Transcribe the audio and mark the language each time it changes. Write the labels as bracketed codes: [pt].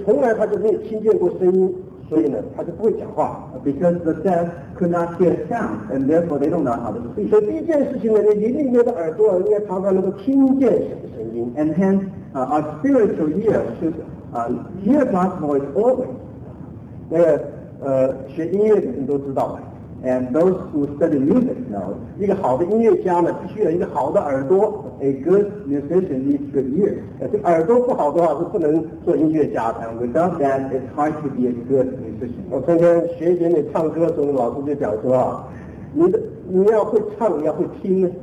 [zh] 这个聋子因为从来他就没有听见过声音，所以呢，他就不会讲话。 [en] Because the deaf could not hear sound, and therefore they don't know how to speak. [zh] 所以第一件事情呢，你里面的耳朵应该常常能够听见什么声音。 [en] And hence, our spiritual ear should hear God's voice always. [zh] 学音乐的人都知道 [en] And those who study music know [zh] 一个好的音乐家呢必须有一个好的耳朵 [en] A good musician needs good ears [zh] 这耳朵不好的话是不能做音乐家的 [en] And without that it's hard to be a good musician [zh] 我曾经学一点点唱歌时候老师就讲说 你要会唱你要会听